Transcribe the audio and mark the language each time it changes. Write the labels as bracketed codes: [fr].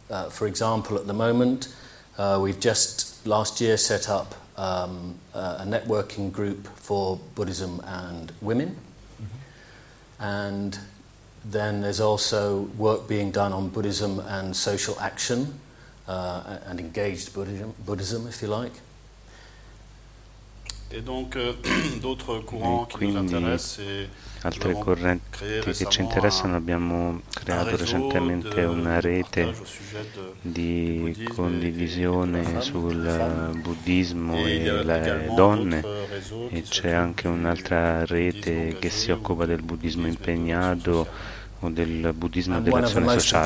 [en] For example, at the moment, we've just last year set up a networking group for Buddhism and women. Mm-hmm. And then there's also work being done on Buddhism and social action and engaged Buddhism, if you like. [fr] Et donc d'autres courants qui nous intéressent, c'est [it] altre correnti che ci interessano, abbiamo creato recentemente una rete di condivisione sul buddismo e le donne, e c'è anche un'altra rete che si occupa del buddismo impegnato o del buddismo dell'azione sociale.